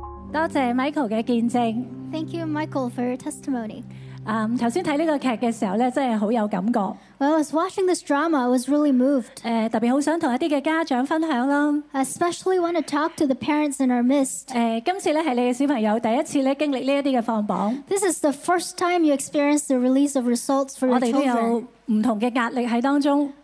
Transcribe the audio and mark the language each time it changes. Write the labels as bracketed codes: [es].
[yue] 多謝 Michael 嘅見證。 [en] Thank you, Michael, for your testimony. [yue] 頭先睇呢個劇嘅時候咧，真係好有感覺。 [en] When I was watching this drama, I was really moved. [yue] 特別好想同一啲嘅家長分享啦。 [en] Especially want to talk to the parents in our midst. [yue] 今次咧係你嘅小朋友第一次咧經歷呢一啲嘅放榜。 [en] This is the first time you experience the release of results for your children. [yue] 我哋都有唔同嘅壓力喺當中。